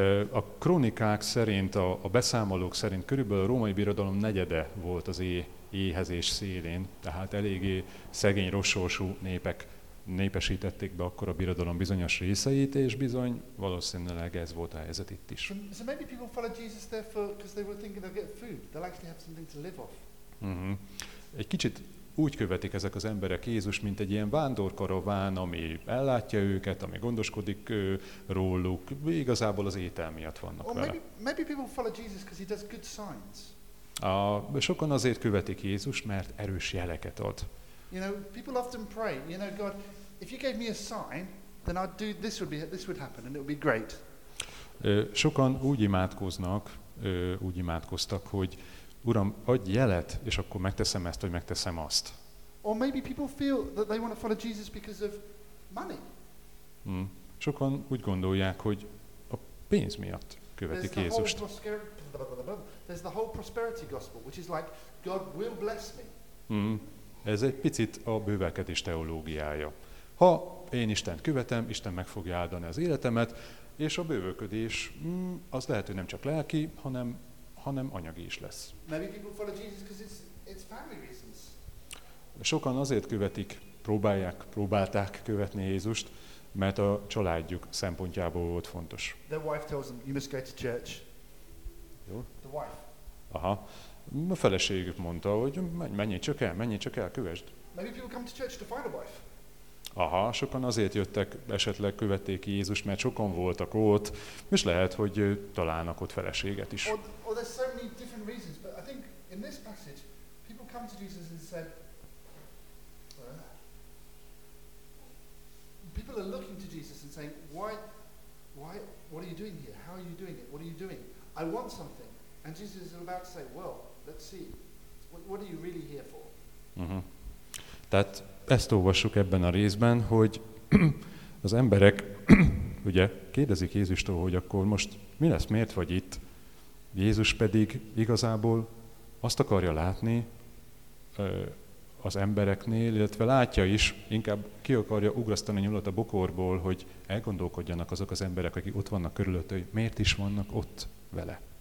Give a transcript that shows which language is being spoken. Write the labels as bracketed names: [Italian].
[Hungarian] A krónikák szerint, a beszámolók szerint körülbelül a római birodalom negyede volt az éhezés szélén, tehát eléggé szegény, rossorsú népek népesítették be akkor a birodalom bizonyos részeit, és bizony valószínűleg ez volt a helyzet itt is. [English] So maybe people followed Jesus there because they were thinking they'll get food. They'll actually have something to live off. [Hungarian] Egy kicsit úgy követik ezek az emberek Jézus, mint egy ilyen vándorkaraván, ami ellátja őket, ami gondoskodik róluk. Igazából az étel miatt vannak vele. [English] Maybe people follow Jesus because he does good signs. [Hungarian] Sokan azért követik Jézus, mert erős jeleket ad. [English] You know, people often pray, you know, God, if you gave me a sign, then I'd do this would be this would happen and it would be great. [Hungarian] Sokan úgy imádkoznak, úgy imádkoztak, hogy Uram, adj jelet, és akkor megteszem ezt, vagy megteszem azt. [English] Or maybe people feel that they want to follow Jesus because of money. [Hungarian] Sokan úgy gondolják, hogy a pénz miatt követik Jézust. [English] There's the whole prosperity gospel, which is like God will bless me. [Hungarian] Ez egy picit a bővelkedés teológiája. Ha én Istent követem, Isten meg fogja áldani az életemet, és a bővölködés az lehet, hogy nem csak lelki, hanem anyagi is lesz. [English] Maybe people follow Jesus because it's family reasons. [Hungarian] Sokan azért követik, próbálták követni Jézust, mert a családjuk szempontjából volt fontos. [English] The wife tells them, you must go to church. [Hungarian] Jó? [English] The wife. Aha. [Hungarian] A feleségük mondta, hogy menjél csak el, kövesd. [English] Maybe people come to church to find a wife. [Hungarian] Aha, sokan azért jöttek, esetleg követték Jézust, mert sokan voltak ott, és lehet, hogy találnak ott feleséget is. [English] Or there's so many different reasons, but I think in this passage, people come to Jesus and said, people are looking to Jesus and saying, why, what are you doing here? How are you doing it? What are you doing? I want something. And Jesus is about to say, well, let's see, what are you really here for? [Hungarian] Tehát ezt olvassuk ebben a részben, hogy az emberek ugye kérdezik Jézustól, hogy akkor most mi lesz, miért vagy itt? Jézus pedig igazából azt akarja látni az embereknél, illetve látja is, inkább ki akarja ugrasztani a nyulat a bokorból, hogy elgondolkodjanak azok az emberek, akik ott vannak körülött, hogy miért is vannak ott vele.